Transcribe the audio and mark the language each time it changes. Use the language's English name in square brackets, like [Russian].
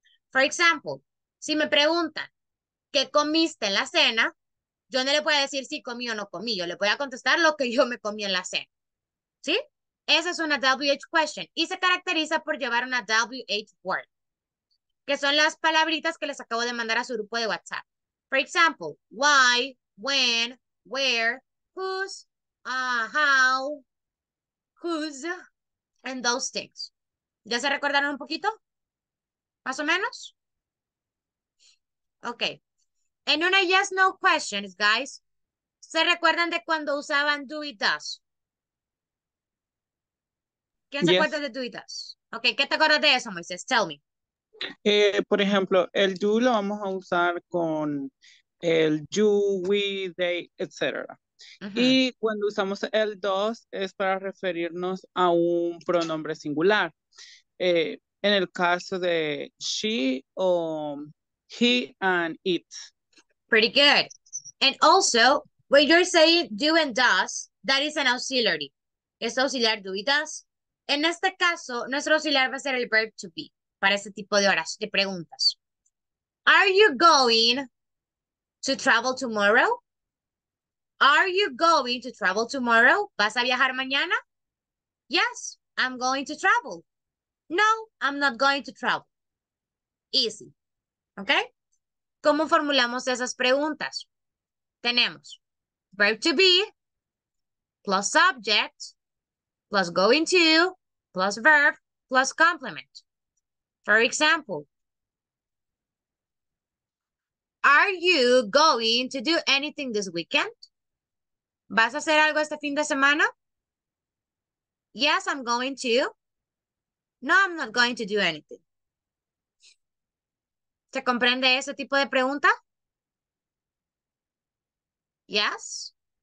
[English] For example, [Spanish] si me preguntan qué comiste en la cena, yo no le voy a decir si comí o no comí. Yo le voy a contestar lo que yo me comí en la cena. ¿Sí? Esa es una WH question. Y se caracteriza por llevar una WH word, que son las palabritas que les acabo de mandar a su grupo de WhatsApp. [English] For example, why, when, where, whose, how, whose, and those things. [Spanish] ¿Ya se recordaron un poquito? ¿Más o menos? Ok. En una yes, no questions, guys, ¿se recuerdan de cuando usaban do y does? ¿Quién se acuerda de do y does? Ok, ¿qué te acuerdas de eso, Moisés? [English] Tell me. [Spanish] Por ejemplo, el do lo vamos a usar con el you, we, they, etc. Uh-huh. Y cuando usamos el does es para referirnos a un pronombre singular. En el caso de she o he [English] and it. Pretty good. And also, when you're saying do and does, that is an auxiliary. [Spanish] Es auxiliar do y does. En este caso, nuestro auxiliar va a ser el verb to be para ese tipo de horas de preguntas. [English] Are you going to travel tomorrow? Are you going to travel tomorrow? [Spanish] ¿Vas a viajar mañana? [English] Yes, I'm going to travel. No, I'm not going to travel. Easy. ¿Ok? [Spanish] ¿Cómo formulamos esas preguntas? Tenemos [English] verb to be plus subject plus going to plus verb plus complement. For example, are you going to do anything this weekend? [Spanish] ¿Vas a hacer algo este fin de semana? [English] Yes, I'm going to. No, I'm not going to do anything. [Spanish] ¿Se comprende ese tipo de pregunta? [English] Yes.